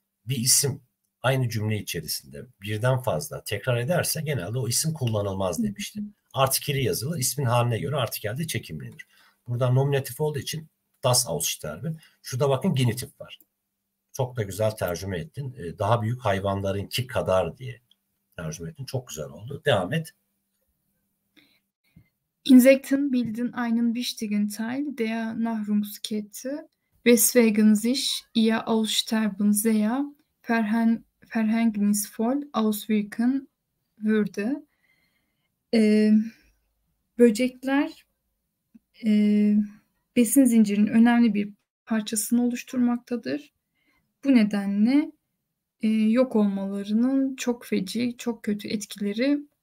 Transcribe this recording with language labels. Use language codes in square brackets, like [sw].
[tr] Bir isim aynı cümle içerisinde birden fazla tekrar ederse genelde o isim kullanılmaz demiştim. Artikeli yazılı ismin haline göre artikel de çekimlenir. Burada nominatif olduğu için das Aussterben. Şurada bakın genitif var. Çok da güzel tercüme ettin. Daha büyük hayvanlarınki kadar diye tercüme ettin. Çok güzel oldu. Devam et. [de] Insekten bilden einen wichtigen Teil der Nahrungskette, weswegen sich ihr Aussterben sehr verhängnisvoll auswirken würde. [tr] Böcekler besin zincirinin önemli bir parçasını oluşturmaktadır. Bu nedenle yok olmalarının çok feci, çok kötü etkileri